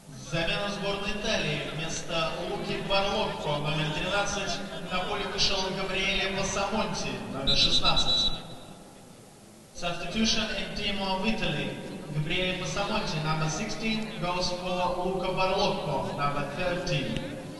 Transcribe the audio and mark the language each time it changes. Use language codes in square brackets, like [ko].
[ru] Замена сборной Италии вместо Луки Барлокко, номер 13, на поле вышел Габриэле Пассамонти, номер 16. [en] Substitution in team of Italy. Габриэле Пассамонти, номер 16, goes for Луки Барлокко, номер 13.